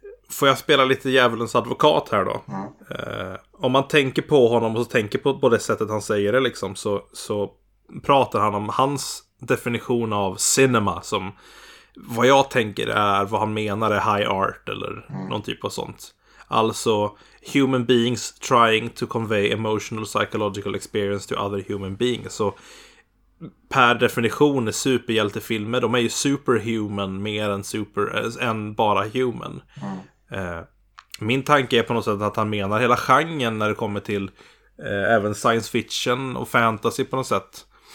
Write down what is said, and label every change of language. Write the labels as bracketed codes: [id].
[sv] Får jag spela lite djävulens advokat här då? Om man tänker på honom och så tänker på det sättet han säger det liksom, så pratar han om hans definition av cinema, som vad jag tänker är vad han menar är high art eller någon typ av sånt. Alltså [en] human beings trying to convey emotional psychological experience to other human beings. [sv] Så per definition är superhjältefilmer, de är ju superhuman mer än super än bara human. Min tanke är på något sätt att han menar hela genren när det kommer till även science fiction och fantasy på något sätt.